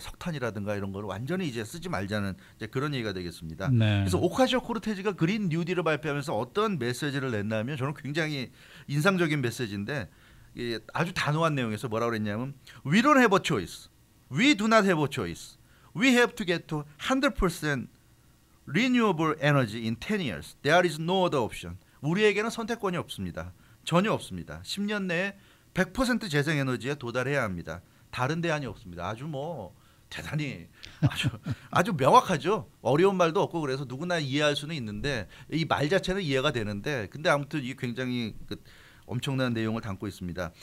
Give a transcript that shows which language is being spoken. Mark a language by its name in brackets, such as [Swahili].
[Korean] 석탄이라든가 이런 걸 완전히 이제 쓰지 말자는 이제 그런 얘기가 되겠습니다. 네. 그래서 오카시오 코르테즈가 그린 뉴딜을 발표하면서 어떤 메시지를 냈냐면, 저는 굉장히 인상적인 메시지인데, 아주 단호한 내용에서 뭐라고 했냐면, [English] We don't have a choice. [Korean] We do not have a choice. [English] We have to get to 100% renewable energy in 10 years. There is no other option. [Korean] 우리에게는 선택권이 없습니다. 전혀 없습니다. 10년 내에 100% 재생에너지에 도달해야 합니다. 다른 대안이 없습니다. 아주 뭐 대단히 아주 명확하죠. 어려운 말도 없고 그래서 누구나 이해할 수는 있는데 이 말 자체는 이해가 되는데 근데 아무튼 이게 굉장히 그 엄청난 내용을 담고 있습니다.